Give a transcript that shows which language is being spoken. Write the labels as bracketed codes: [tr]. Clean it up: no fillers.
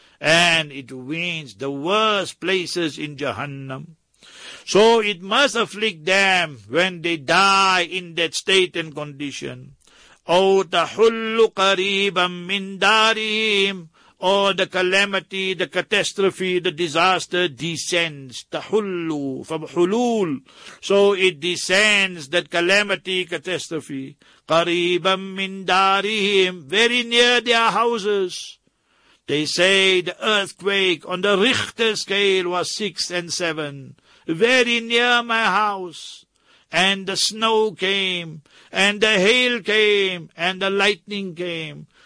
[en] And it means the worst places in Jahannam. So it must afflict them when they die in that state and condition. [ar] أو تحل قريبا من دارهم [en] Or the calamity, the catastrophe, the disaster descends. تحل from حلول. So it descends, that calamity, catastrophe. [ar] قريبا من دارهم [en] Very near their houses. They say the earthquake on the Richter scale was 6 and 7. Very near my house, and the snow came, and the hail came, and the lightning came.